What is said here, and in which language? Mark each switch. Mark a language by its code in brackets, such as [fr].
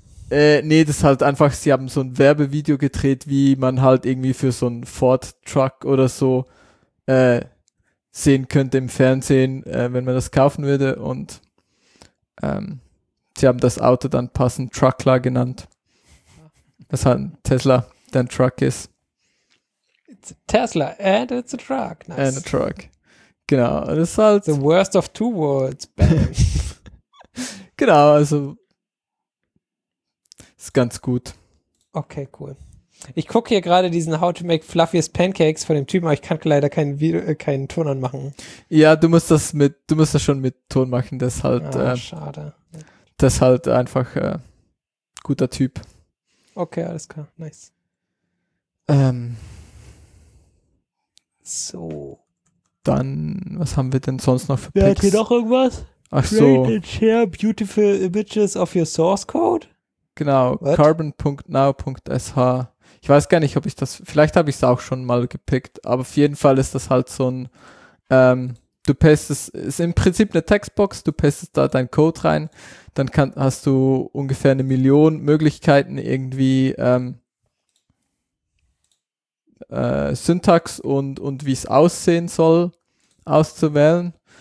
[de] Nee, das ist halt einfach, sie haben so ein Werbevideo gedreht, wie man halt irgendwie für so einen Ford-Truck oder so sehen könnte im Fernsehen, wenn man das kaufen würde. Und sie haben das Auto dann passend Truckler genannt. Das halt ein Tesla, der ein Truck ist. [en] It's a Tesla and it's a truck. Nice. And a truck. [de] Genau, das ist halt... [en] The worst of two worlds, [de] Ben. Genau, also... Ist ganz gut. Okay, cool. Ich gucke hier gerade diesen [en] How to make fluffiest pancakes [de] von dem Typen, aber ich kann leider keinen Video, keinen Ton anmachen. Ja, du musst das schon mit Ton machen, das ist halt, schade. Das ist halt einfach guter Typ. Okay, alles klar, nice. So. Dann, was haben wir denn sonst noch für Picks? Hat hier noch irgendwas? Ach so. [en] Create and share beautiful images of your source code? [de] Genau, carbon.now.sh. Ich weiß gar nicht, ob ich das, vielleicht habe ich es auch schon mal gepickt, aber auf jeden Fall ist das halt so ein, du pastest, ist im Prinzip eine Textbox, du pastest da deinen Code rein, dann hast du ungefähr 1 Million Möglichkeiten irgendwie Syntax und wie es aussehen soll auszuwählen.